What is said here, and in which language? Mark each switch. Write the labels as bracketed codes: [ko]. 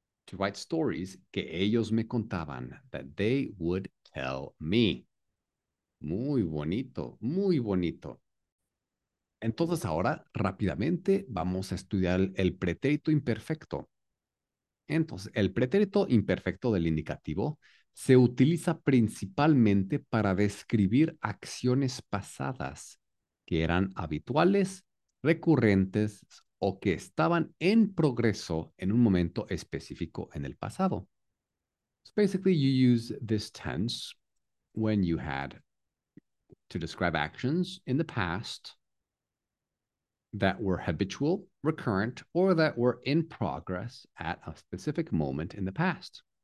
[en] To write stories [es] que ellos me contaban, [en] that they would tell me. [es] Muy bonito, muy bonito. Entonces ahora, rápidamente, vamos a estudiar el pretérito imperfecto. Entonces, el pretérito imperfecto del indicativo se utiliza principalmente para describir acciones pasadas que eran habituales, recurrentes o que estaban en progreso en un momento específico en el pasado. [en] So basically, you use this tense when you had to describe actions in the past that were habitual, recurrent, or that were in progress at a specific moment in the past.